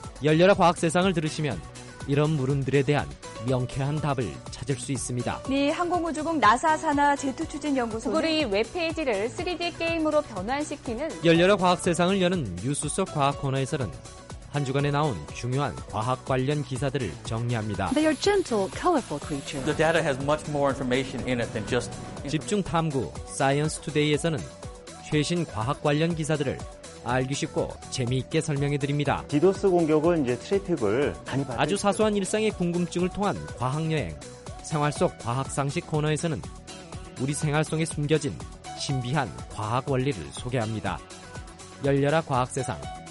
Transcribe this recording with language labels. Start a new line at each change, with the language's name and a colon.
Korean: 열렬한 과학 세상을 들으시면 이런 물음들에 대한 명쾌한 답을 찾을 수 있습니다. 미 항공우주국 나사 산하 제트추진연구소 구글이 웹페이지를 3D 게임으로 변환시키는 열렬한 과학 세상을 여는 뉴스 속 과학 코너에서는 한 주간에 나온 중요한 과학 관련 기사들을 정리합니다.
English: They are gentle, colorful creatures. The data has much more information in it than just information.
Korean: 집중 탐구 사이언스 투데이에서는 최신 과학 관련 기사들을 알기 쉽고 재미있게 설명해 드립니다. 디도스 공격은 이제 트래픽을 많이 받아 아주 사소한 일상의 궁금증을 통한 과학 여행, 생활 속 과학 상식 코너에서는 우리 생활 속에 숨겨진 신비한 과학 원리를 소개합니다. 열려라 과학 세상.